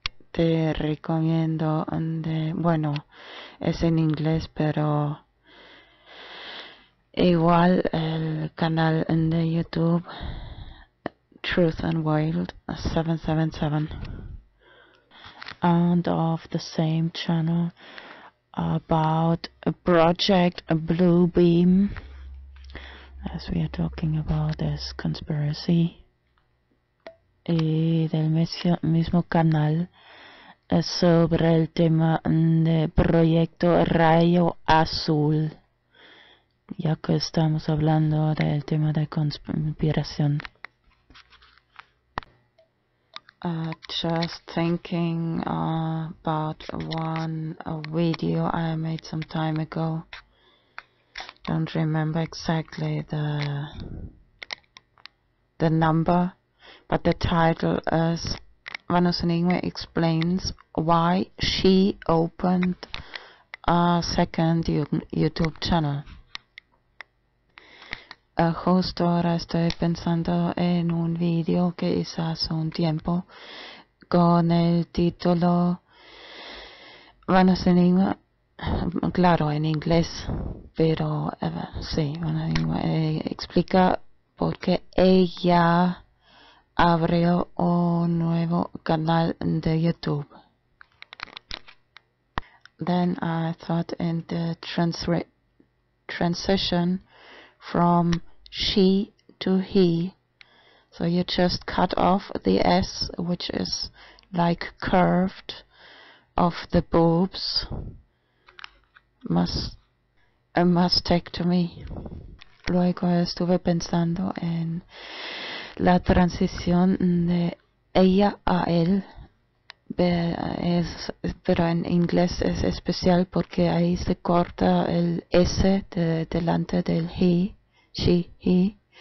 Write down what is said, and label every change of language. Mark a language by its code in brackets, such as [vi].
[es] Te recomiendo de, bueno, es en inglés, pero igual el canal de YouTube, Truth Unveiled 777. [en] And of the same channel, about Project Blue Beam, as we are talking about this conspiracy. [es] Y del mismo canal, sobre el tema de Proyecto Rayo Azul, ya que estamos hablando del tema de conspiración. [en] Just thinking about one video I made some time ago. Don't remember exactly the number, but the title is VanosEnigmA Explains Why She Opened a Second YouTube Channel. [es] Justo ahora estoy pensando en un video que hice hace un tiempo con el título VanosEnigmA claro, en inglés, pero sí, bueno, explica por qué ella abrió un nuevo canal de YouTube. [en] Then I thought in the transition from she to he. So you just cut off the S, which is like curved of the boobs. Mastectomy. [es] Luego estuve pensando en la transición de ella a él. Pero en inglés es especial porque ahí se corta el S delante del [en] he, she, he.